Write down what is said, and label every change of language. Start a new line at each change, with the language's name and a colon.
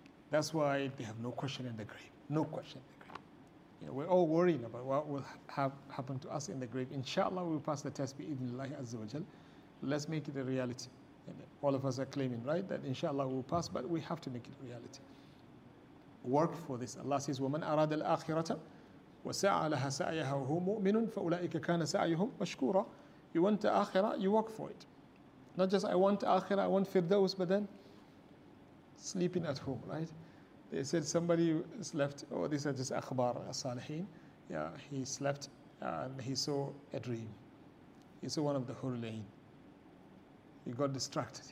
English: That's why they have no question in the grave. No question in the grave. You know, we're all worrying about what will happen to us in the grave. Inshallah, we'll pass the test by idhnillah azza wa jal. Let's make it a reality. And all of us are claiming, right, that inshallah we'll pass, but we have to make it a reality. Work for this. Allah says,
Arabic: وَمَنْ أَرَادَ الْآخِرَةَ وَسَعَى لَهَا سَعْيَهَا وَهُوْ مُؤْمِنٌ فَأُولَٰئِكَ كَانَ سَعْيُهُمْ مَشْكُورًا.
English: You want the akhirah, you work for it. Not just I want akhirah, I want firdaus, but then sleeping at home, right? They said somebody slept, oh, these are just akhbar as-salihin. Yeah, he slept and he saw a dream. He saw one of the hurlain. He got distracted.